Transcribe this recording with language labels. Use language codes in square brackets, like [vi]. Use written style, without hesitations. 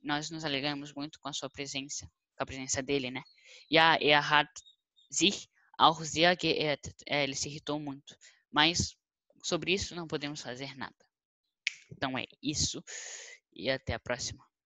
[pt] Nós nos alegramos muito com a sua presença, com a presença dele, né? [de] Ja, er hat sich auch sehr geehrt. [pt] É, ele se irritou muito. Mas sobre isso não podemos fazer nada. Então é isso e até a próxima.